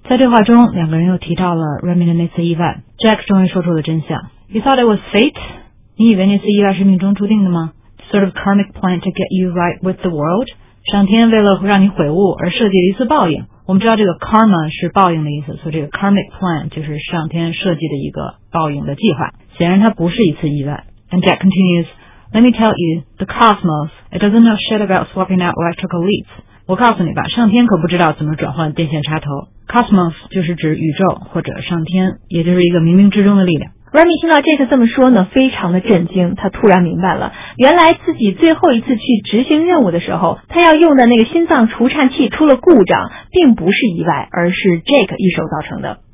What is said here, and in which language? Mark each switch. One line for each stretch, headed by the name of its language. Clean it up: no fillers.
Chinese: 在对话中，两个人又提到了 Remy 的那次意外。 Jack 终于说出了真相。
English: You thought it was fate？
Chinese: 你以为那次意外是命中注定的吗？
English: Sort of karmic plan to get you right with the world？
Chinese: 上天为了让你悔悟而设计了一次报应。我们知道这个 karma 是报应的意思，所以这个 karmic plan 就是上天设计的一个报应的计划。显然它不是一次意外。
English: And Jack continues, Let me tell you, the cosmos, it doesn't know shit about swapping out electrical leads.
Chinese: 我告诉你吧，上天可不知道怎么转换电线插头。 Cosmos 就是指宇宙或者上天，也就是一个冥冥之中的力量。 Remy 听到 Jake 这么说呢，非常的震惊。他突然明白了，原来自己最后一次去执行任务的时候，他要用的那个心脏除颤器出了故障，并不是意外，而是 Jake 一手造成的。